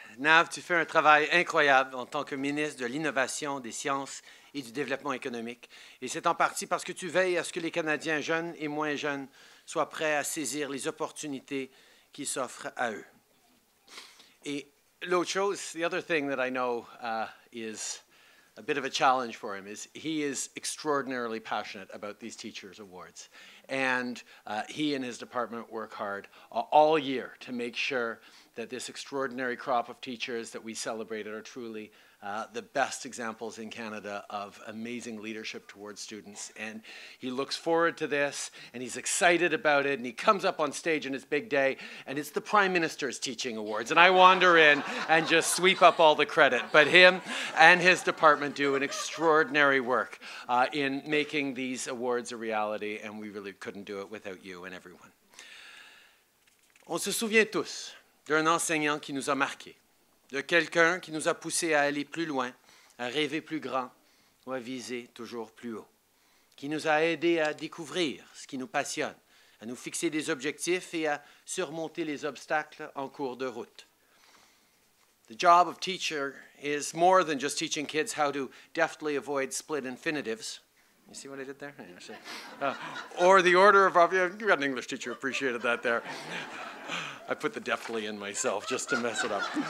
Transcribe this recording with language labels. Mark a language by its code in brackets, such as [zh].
[fr] Nav, tu fais un travail incroyable en tant que ministre de l'innovation, des sciences et du développement économique. Et c'est en partie parce que tu veilles à ce que les Canadiens jeunes et moins jeunes soient prêts à saisir les opportunités qui s'offrent à eux. Et l'autre chose, [en] the other thing that I know is a bit of a challenge for him, is he is extraordinarily passionate about these teachers' awards. And he and his department work hard all year to make sure that this extraordinary crop of teachers that we celebrated are truly the best examples in Canada of amazing leadership towards students. And he looks forward to this, and he's excited about it, and he comes up on stage in his big day, and it's the Prime Minister's Teaching Awards. And I wander in and just sweep up all the credit. But him and his department do an extraordinary work in making these awards a reality, and we really couldn't do it without you and everyone. [fr] On se souvient tous d'un enseignant qui nous a marqué, de quelqu'un qui nous a poussé à aller plus loin, à rêver plus grand ou à viser toujours plus haut, qui nous a aidés à découvrir ce qui nous passionne, à nous fixer des objectifs et à surmonter les obstacles en cours de route. [en] The job of teacher is more than just teaching kids how to deftly avoid split infinitives. You see what I did there? Or the order of... You got an English teacher, appreciated that there. I put the deftly in myself just to mess it up.